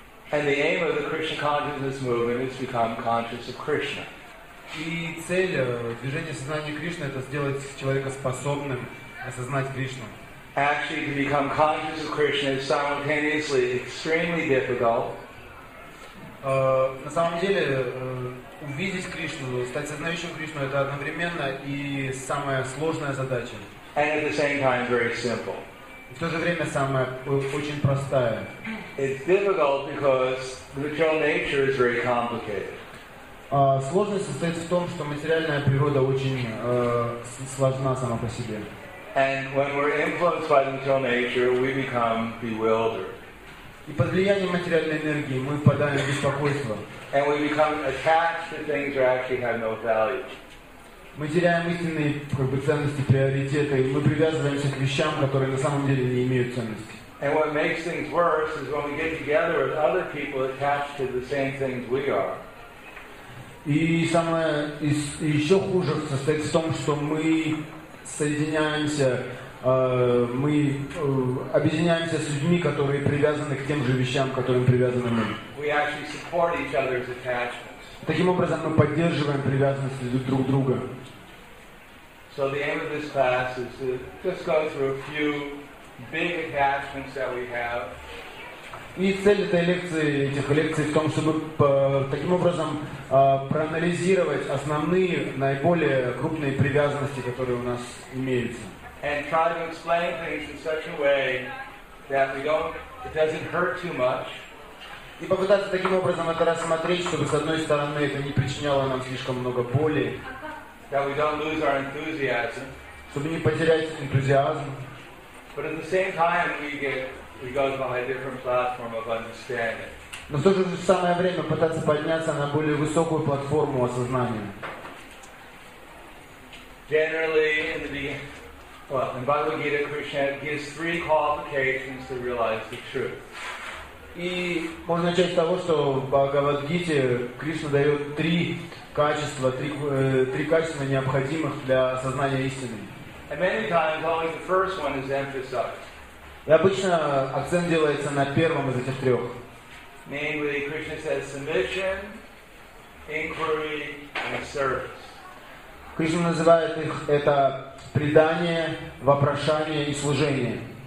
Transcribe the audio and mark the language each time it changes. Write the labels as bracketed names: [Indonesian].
[English] And the aim of the Krishna consciousness movement is to become conscious of Krishna. [Russian] И цель движения сознания Кришны это сделать человека способным осознать Кришну. [English] Actually, to become conscious of Krishna is simultaneously extremely difficult. [Russian] На самом деле, увидеть Кришну, стать сознающим Кришну, это одновременно и самая сложная задача. [English] And at the same time, very simple. [Russian] В то же время самая очень простая. [English] It's difficult because material nature is very complicated. [Russian] Сложность состоит в том, что материальная природа очень сложна сама по себе. [English] And when we're influenced by the material nature, we become bewildered. [Russian] И под влиянием материальной энергии мы впадаем в беспокойство. [English] And we become attached to things that actually have no value. [Russian] Мы теряем истинные как бы, ценности, приоритеты, и мы привязываемся к вещам, которые на самом деле не имеют ценности. [English] And what makes things worse is when we get together with other people attached to the same things we are. [Russian] И самое и еще хуже состоит в том, что мы соединяемся, мы объединяемся с людьми, которые привязаны к тем же вещам, к которым привязаны мы. [English] We actually support each other's attachments. [Russian] Таким образом, мы поддерживаем привязанность друг к другу. [English] So the aim of this class is to just go through a few big attachments that we have. [Russian] И цель этой лекции, этих лекций, в том, чтобы таким образом проанализировать основные, наиболее крупные привязанности, которые у нас имеются. [English] And try to explain things in such a way that we don't, it doesn't hurt too much. [Russian] И попытаться таким образом это рассмотреть, чтобы с одной стороны это не причиняло нам слишком много боли, [English] that we don't lose our enthusiasm, [Russian] чтобы не потерять энтузиазм. [English] But at the same time we go on a different platform of understanding. [Russian] Но в то же самое время пытаться подняться на более высокую платформу осознания. [English] Generally, in the beginning, well, in Bhagavad Gita, Krishna gives three qualifications to realize the truth. [Russian] И можно начать с того, что в Бхагавад-гите Кришна дает три качества, необходимых для осознания истины. [English] And many times only the first one is emphasized. [Russian] И обычно акцент делается на первом из этих трех. [English] Namely, Krishna says submission, inquiry, and service. [Russian] Кришна называет их это предание, вопрошание и служение.